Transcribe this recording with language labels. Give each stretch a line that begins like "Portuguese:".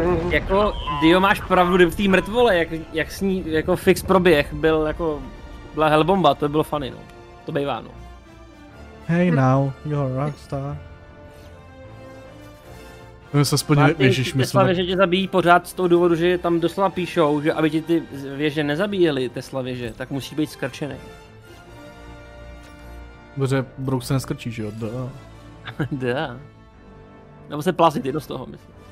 Czech: Jako, Dio, máš pravdu, kdyby v té mrtvole, jak s ní, jako fix proběh, byl jako, byla hellbomba, to by bylo funny, no. To bývá, no.
English: Hey now, you're a rockstar.
Czech: My jsme se splnili, ježiš, my jsme... Teslavěže tě zabijí pořád z toho důvodu, že tam doslova píšou, že aby ti ty věže nezabíjeli, Teslavěže, tak musí být skrčený. Dobře, Brouk se neskrčí, že jo, da. Da. Nebo se plazit jedno z toho, myslím.